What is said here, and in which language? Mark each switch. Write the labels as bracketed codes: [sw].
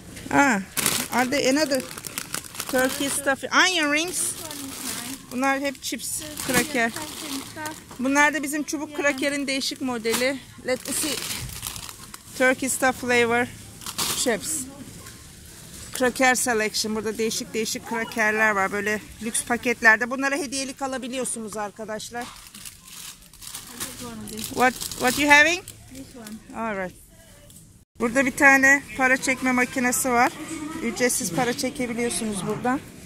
[en] Are they another turkey stuff? Onion rings. [tr] Bunlar hep chips, kraker. Bunlar da bizim çubuk krakerin değişik modeli. [en] Let me see. Turkey stuff flavor chips. [tr] Kraker selection. Burada değişik krakerler var. Böyle lüks paketlerde. Bunlara hediyelik alabiliyorsunuz arkadaşlar. [en] What you having? This one. Alright. [tr] Burada bir tane para çekme makinesi var. Ücretsiz para çekebiliyorsunuz buradan.